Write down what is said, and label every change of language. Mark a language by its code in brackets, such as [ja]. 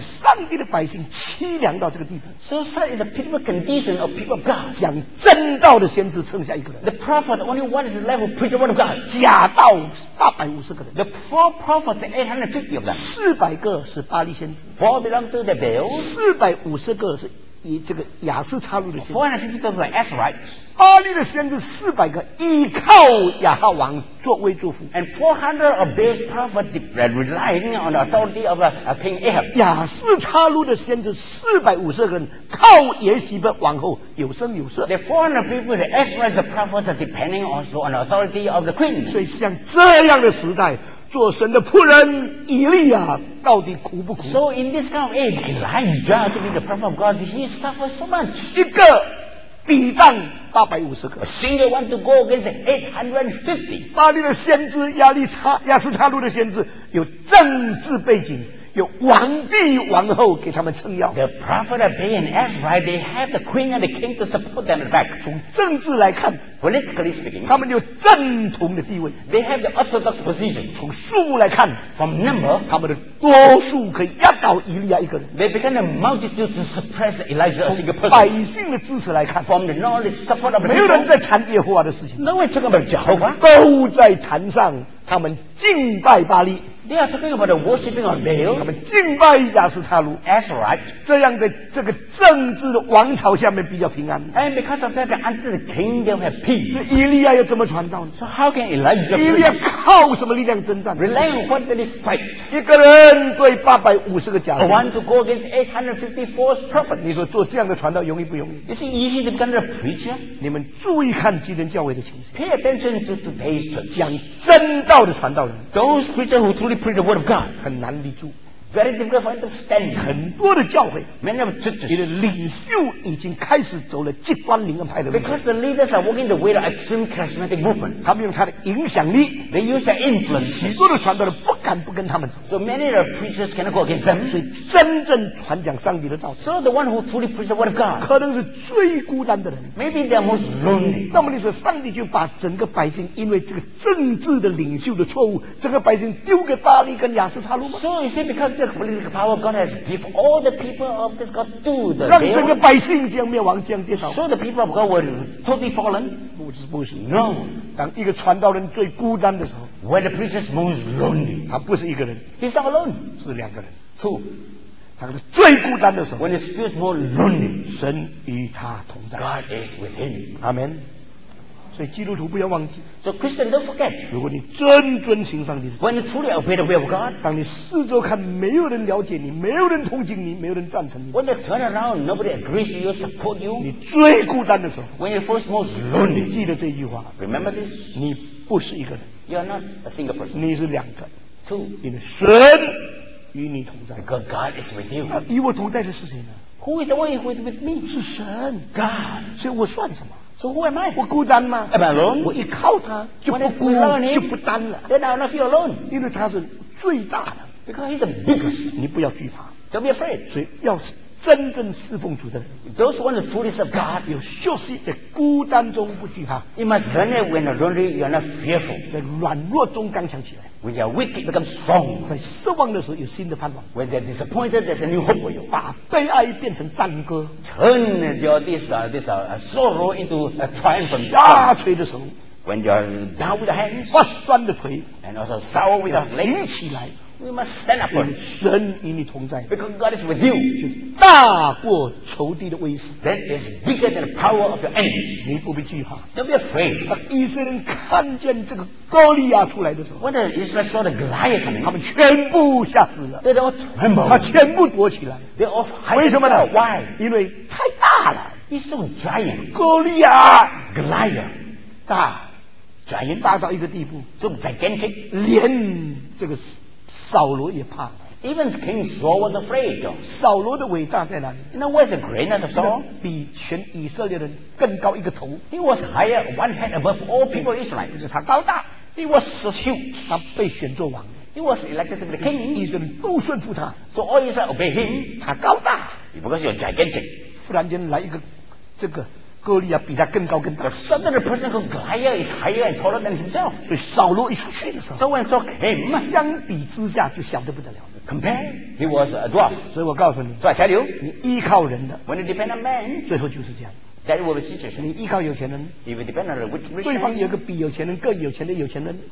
[zh] 上帝的百姓凄凉到这个地步 [en] So such is a pitiful condition of people of God [zh] 讲真道的先知剩下一个人 [en] The prophet only one is left who preached the word of God [zh] 假道850个人 [en] The four prophets 850 of them [zh] 400个是巴利先知 [en] Four belong to the Baal [zh] 450个是以这个亚斯他录的先知 [en] 450 [zh] 都是 [en] Asherites [zh] 巴利的先知400个依靠亚哈王作为祝福 [en] and 400 of Baal's prophets relying on the authority of King Ahab [zh] 亚斯他录的先知450个人靠耶洗别王后有声有色 [en] the 400 people the Asherites the prophets depending also on the authority of the queen [zh] 所以像这样的时代做神的仆人以利亚到底苦不苦 [en] So in this kind of age Elijah to be the prophet of God He suffered so much [zh] 一个抵挡850个 [en] A single one to go against 850 [zh] 巴黎的先知亚斯他路的先知有政治背景有王帝王后给他们撑腰 [en] The prophet of Baal and Asherites They have the queen and the king to support them back [zh] 从政治来看 [en] Politically speaking [zh] 他们有正统的地位 [en] They have the orthodox position [zh] 从数目来看 [en] From number [zh] 他们的多数可以压倒以利亚一个人 [en] They began a multitude to suppress Elijah as a person [zh] 百姓的支持来看 [en] From the knowledge support of the people [zh] 没有人在谈耶和华的事情 [en] No one took up Jehovah [zh] 都在坛上他们敬拜巴利 [en] They are talking about the worshipping of Baal. [zh] 他们敬拜亚斯他录 [en] Asherites. [zh] 这样的这个政治的王朝下面比较平安。 [en] And because of that, under the kingdom have peace. [zh] 所以以利亚要怎么传道呢 [en] ？So how can Elijah? [zh] 以利亚靠什么力量征战 [en] ？Rely on what did he fight? [zh] 一个人对850个假人。 [en] A one to go against 850 false prophets. [zh] 你说做这样的传道容易不容易 [en] ？Is it easy to kind of preach? [zh] 你们注意看基督教会的情形。 [en] Pay attention to today's church. [zh] 讲真道的传道人 [en] ，those preachers who truly Preach the word of God [zh] 很难立住 [en] Very difficult for understanding [zh] 很多的教会 [en] Many of churches [zh] 你的领袖已经开始走了极端灵恩派的路 [en] Because the leaders are walking the way of extreme charismatic movement [zh] 他们用他的影响力 [en] They use their influence [zh] 许多的传道人不敢不跟他们 [en] So many of the preachers cannot go against them [zh] 所以真正传讲上帝的道 [en] So the one who truly preach the word of God [zh] 可能是最孤单的人 [en] Maybe they are most lonely [zh] 那么你说上帝就把整个百姓因为这个政治的领袖的错误整个百姓丢给巴利跟亚斯他录吗 [en] So you see because the political power God has given all the people of this God to the [zh] 让整个百姓将灭亡将跌倒 [en] So the people of God were totally fallen [zh] 不是 [en] No [zh] 当一个传道人最孤单的时候 [en] When the preacher is most lonely [zh] 他不是一个人 [en] He's not alone [zh] 是两个人 [en] Two [zh] 他是最孤单的时候 [en] When he feels more lonely [zh] 神与他同在 [en] God is with him [zh] Amen所以基督徒不要忘记 [en] So Christian don't forget [zh] 如果你真遵行上帝 [en] When you truly obey the will of God [zh] 当你四周看没有人了解你没有人同情你没有人赞成你 [en] When you turn around nobody agrees you support you [zh] 你最孤单的时候 [en] When you feel most lonely [zh] 记得这句话 [en] Remember this [zh] 你不是一个人 [en] You are not a single person [zh] 你是两个 [en] Two [zh] 因为神与你同在 [en] Because God is with you [zh] 与我同在的是谁呢 [en] Who is the one who is with me [zh] 是神 [en] God [zh] 所以我算什么 [en] So who am I? [zh] 我孤单吗？ [en] Am I alone? [zh] 我一靠他就不孤就不单了。 [en] Then I'll not feel alone. [zh] 因为他是最大的。 [en] Because he's the biggest. [zh] 你不要惧怕。 [en] Don't be afraid. [zh] 所以要真正侍奉主的人。 [en] Those ones truly serve God. [zh] 要学习在孤单中不惧怕。 [en] You must learn it when lonely you're not fearful. [zh] 在软弱中刚强起来。 [en] When you're weak, you become strong. [zh] 在失望的时候有新的盼望。 [en] When they're disappointed, there's a new hope for you. [zh] 把悲哀变成赞歌。 [en] Turn your sorrow into a triumph. [zh] 下垂的时候。 [en] When you're down with your hands. [zh] 发酸的腿。 [en] And also sour with your legs. [zh] 挺起来。 [en] We must stand up for it. [zh] 神与你同在。 [en] Because God is with you. [zh] 就大过仇敌的威势。 [en] That is bigger than the power of your enemies. [zh] 你不必惧怕。 [en] Don't be afraid. [zh] 当以色列人看见这个哥利亚出来的时候。 [en] When the Israelites saw the Goliath coming. [zh] 他们全部吓死了。 [en] They all tremble. [zh] 他全部躲起来。 [en] They all hide. [zh] 为什么呢？ [en] Why? [zh] 因为太大了。 [en] He's so giant. [zh] 哥利亚。 [en] Goliath. [zh] 大。 [en] Giant. [zh] 大到一个地步。 [en] So gigantic. [zh] 连这个扫罗也怕。 [en] Even King Saul was afraid. [zh] 扫罗的伟大在哪里？ [en] You know where's the greatness of Saul? [zh] 比全以色列人更高一个头。 [en] He was higher one head above all people Israel. [zh] 就是他高大。 [en] He was so huge. [zh] 他被选作王。 [en] He was elected to be the king. [zh] 以色列人都顺服他。 [en] So all Israel obey him. [zh] 他高大。 [en] Because he was gigantic. [zh] 忽然间来一个这个哥利亚比他更高更大。 [en] The son of the person called Goliath is higher and taller than himself. [zh] 所以扫罗一出去的时候 [en] ，So when Saul came, [zh] 相比之下就小得不得了。 [en] Compare, he was a dwarf. [zh] 所以我告诉你 [en] ，So I tell you, [zh] 你依靠人的 [en] ，When you depend on man, [zh] 最后就是这样。 [en] That will be situation. [zh] 你依靠有钱人 [en] ，If you depend on the rich man, [zh] 对方有个比有钱人更有钱的有钱人